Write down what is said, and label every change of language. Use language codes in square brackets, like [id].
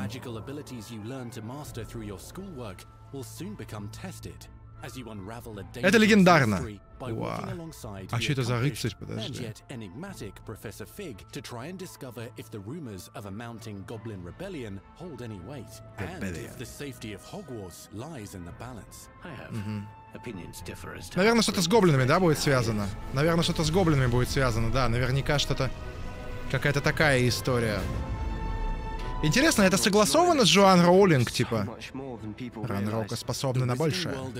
[en] Magical abilities you learn to master through your schoolwork will soon become tested as you unravel a dangerous. [ru] Это легендарно. А что это за рыцарь, подожди? [en] Professor Fig to try and discover if the rumors of a mounting goblin rebellion hold any weight and if the safety of Hogwarts lies in the balance. [ru] Наверное, что-то с гоблинами, да, будет связано? Наверняка что-то... Какая-то такая история. Интересно, это согласовано с Джоан Роулинг, типа? Ран Роука способна на большее.